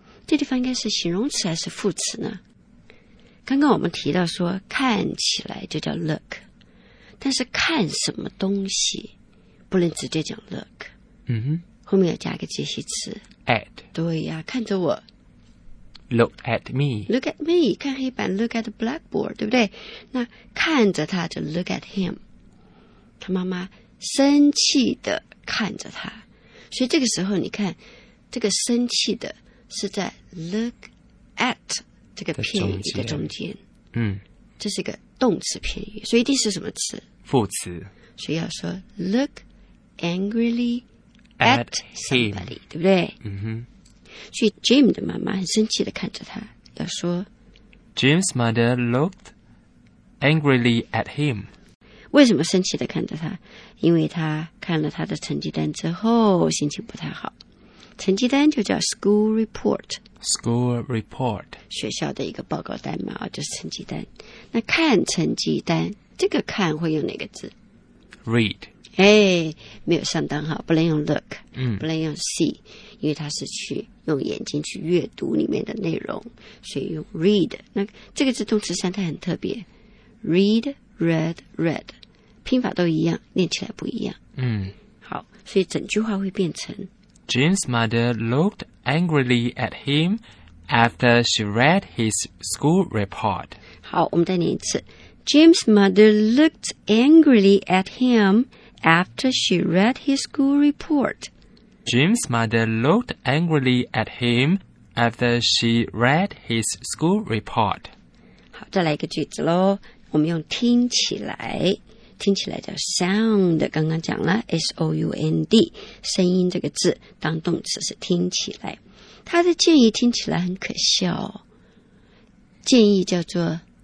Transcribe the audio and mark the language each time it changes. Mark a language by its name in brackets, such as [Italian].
[Chinese] 这地方应该是形容词还是副词呢？刚刚我们提到说看起来就叫 look， 但是看什么东西？不能直接讲 look， 后面要加一个介系词 [English] at。 [Chinese] 对呀、啊，看着我 [English] look at me [Chinese] 看黑板 [English] look at the blackboard， [Chinese] 对不对？那看着他就 [English] look at him， [Chinese] 他妈妈生气的看着他，所以这个时候你看这个生气的是在 look at 这个片语的中间，这是一个动词片语，所以一定是什么词？副词，所以要说 [English] look angrily at somebody， [Chinese] 对不对？所以 Jim 的妈妈很生气的看着他，要说 [English] Jim's mother looked angrily at him。 [Chinese] 为什么生气的看着他？因为他看了他的成绩单之后心情不太好。成绩单就叫 school report， 学校的一个报告单嘛，就是成绩单。那看成绩单这个看会用哪个字？ [English] read。 [Chinese] 没有上当好，不能用 look， 不能用 see， 因为他是去用眼睛去阅读里面的内容，所以用 read。那这个字动词三态很特别， read read read 拼法都一样，念起来不一样。好，所以整句话会变成 [English] Jim's mother looked angrily at him after she read his school report. [Chinese] 好，我们再念一次。 [English] Jim's mother looked angrily at him after she read his school report. Jim's mother looked angrily at him after she read his school report. [Chinese] 好，再来一个句子咯。我们用听起来，听起来叫 sound， 刚刚讲了 S-O-U-N-D， 声音这个字当动词是听起来。他的建议听起来很可笑，建议叫做